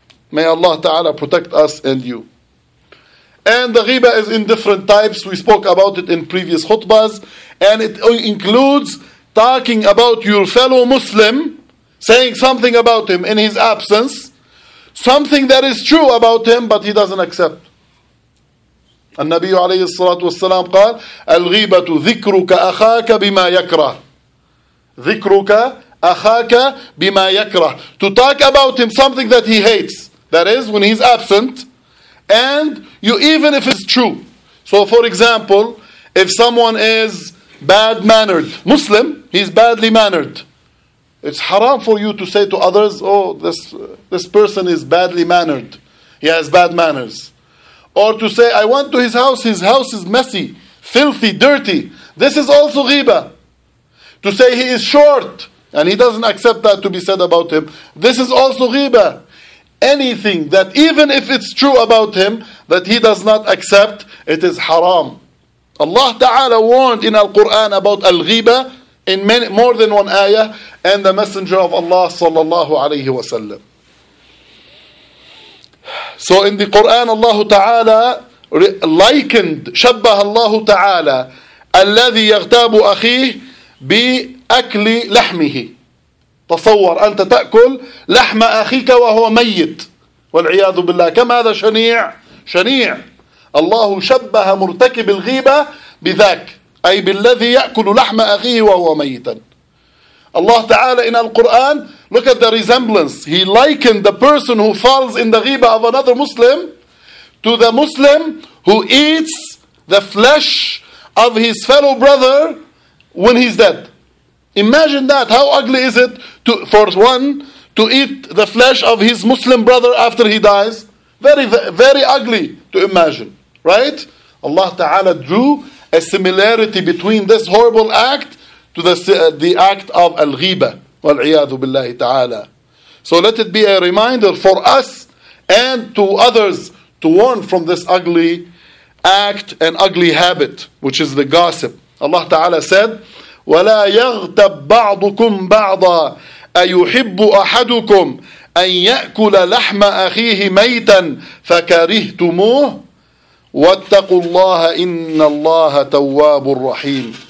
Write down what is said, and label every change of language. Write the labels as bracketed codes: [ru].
[en] May Allah Ta'ala protect us and you. And the ghiba is in different types. We spoke about it in previous khutbas. And it includes talking about your fellow Muslim, saying something about him in his absence, something that is true about him, but he doesn't accept. [ar] النبي عليه الصلاة والسلام قال, الغيبة ذكرك أخاك بما يكره. ذكرك أخاك بما يكره. [en] To talk about him something that he hates, that is, when he's absent, and you, even if it's true. So for example, if someone is bad-mannered, Muslim, he's badly mannered, it's haram for you to say to others, oh, this person is badly mannered, he has bad manners. Or to say, I went to his house is messy, filthy, dirty. This is also ghiba. To say he is short, and he doesn't accept that to be said about him, this is also ghiba. Anything that, even if it's true about him, that he does not accept, it is haram. Allah Ta'ala warned in Al-Quran about Al-Ghiba in many, more than one ayah, and the Messenger of Allah sallallahu alayhi wa sallam. So in the Quran, Allah Ta'ala likened, [ar] شبه الله تعالى الذي يغتاب أخيه بأكل لحمه. تصور أنت تأكل لحم أخيك وهو ميت والعياذ بالله. كم هذا شنيع؟ شنيع. الله شبه مرتكب الغيبة بذاك, أي بالذي يأكل لحم أخيه وهو ميتا. الله تعالى [en] in Al-Quran, look at the resemblance. He likened the person who falls in the ghiba of another Muslim to the Muslim who eats the flesh of his fellow brother when he's dead. Imagine that. How ugly is it for one to eat the flesh of his Muslim brother after he dies? Very, very ugly to imagine. Right? Allah Ta'ala drew a similarity between this horrible act to the act of al-ghiba. Wal-iyadhu billahi ta'ala. So let it be a reminder for us and to others to warn from this ugly act and ugly habit, which is the gossip. Allah Ta'ala said, [ar] وَلَا يَغْتَبْ بَعْضُكُمْ بَعْضًا أَيُحِبُّ أَحَدُكُمْ أَنْ يَأْكُلَ لَحْمَ أَخِيهِ مَيْتًا فَكَرِهْتُمُوهُ وَاتَّقُوا اللَّهَ إِنَّ اللَّهَ تَوَّابٌ رَّحِيمٌ.